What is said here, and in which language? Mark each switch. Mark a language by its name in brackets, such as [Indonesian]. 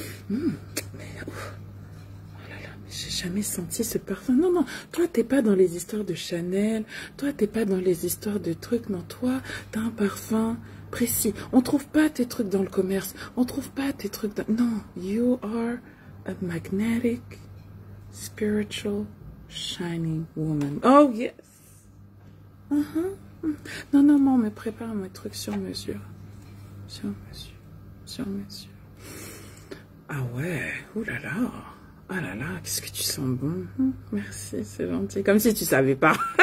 [French] Mais, oh là là, mais j'ai jamais senti ce parfum. Non, non, toi, t'es pas dans les histoires de Chanel. Toi, t'es pas dans les histoires de trucs. Non, toi, t'as un parfum précis. On trouve pas tes trucs dans le commerce. On trouve pas tes trucs dans... [English] Non, you are a magnetic, spiritual, shining woman. Oh, yes. [French] Non, non, moi, on me prépare mes trucs sur mesure. Sur mesure. Sur mesure. Ah ouais, oulala. Ah là là, qu'est-ce que tu sens bon. Merci, c'est gentil. Comme si tu savais pas.